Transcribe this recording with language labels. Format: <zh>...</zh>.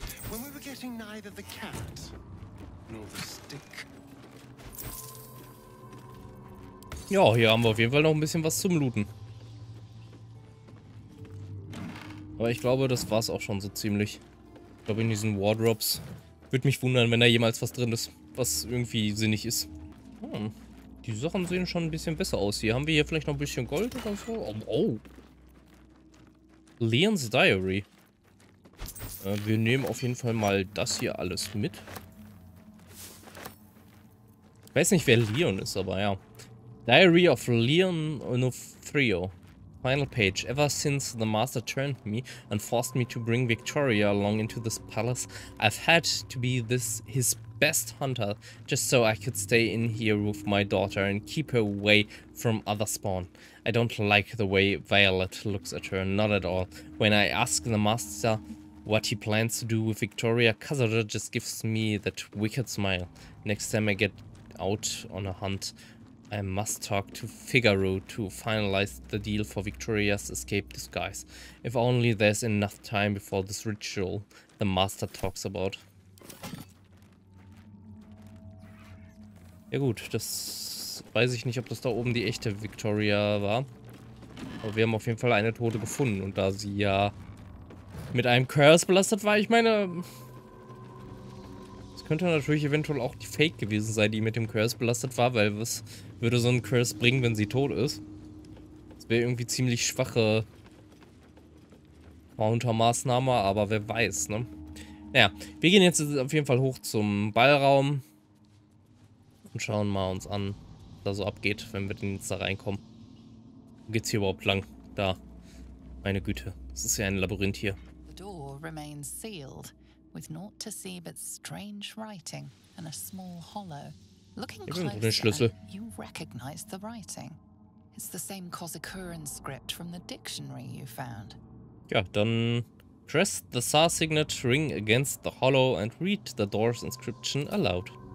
<en>When we were getting neither the cat nor the stick.</en> <de>Ja, hier haben wir auf jeden Fall noch ein bisschen was zum Looten. Aber ich glaube, das war's auch schon so ziemlich. Ich glaube, in diesen Wardrobes. Würde mich wundern, wenn da jemals was drin ist, was irgendwie sinnig ist. Hm. Die Sachen sehen schon ein bisschen besser aus hier. Haben wir hier vielleicht noch ein bisschen Gold oder so? Oh. Leon's Diary. Wir nehmen auf jeden Fall mal das hier alles mit. Ich weiß nicht, wer Leon ist, aber ja.</de> <en>Diary of Leon Onofrio. Final page. Ever since the master turned me and forced me to bring Victoria along into this palace, I've had to be his best hunter just so I could stay in here with my daughter and keep her away from other spawn. I don't like the way Violet looks at her, not at all. When I ask the master what he plans to do with Victoria, Kazura just gives me that wicked smile. Next time I get out on a hunt, I must talk to Figaro to finalize the deal for Victoria's escape disguise. If only there's enough time before this ritual the master talks about.</en> <de>Ja gut, das weiß ich nicht, ob das da oben die echte Victoria war. Aber wir haben auf jeden Fall eine Tote gefunden. Und da sie ja mit einem Curse belastet war, ich meine... Es könnte natürlich eventuell auch die Fake gewesen sein, die mit dem Curse belastet war, weil was... Würde so einen Curse bringen, wenn sie tot ist. Das wäre irgendwie ziemlich schwache Countermaßnahme, aber wer weiß, ne? Naja, wir gehen jetzt auf jeden Fall hoch zum Ballraum und schauen mal uns an, was da so abgeht, wenn wir denn jetzt da reinkommen. Wo geht's hier überhaupt lang? Da. Meine Güte, das ist ja ein Labyrinth hier.</de> <en>The door remains sealed, with naught to see but strange writing and a small hollow. Looking closer, you recognize the writing. It's the same Kozakura script from the dictionary you found.</en> <de>Ja, dann</de> <en>press the Tsar signet ring against the hollow and read the door's inscription aloud.</en>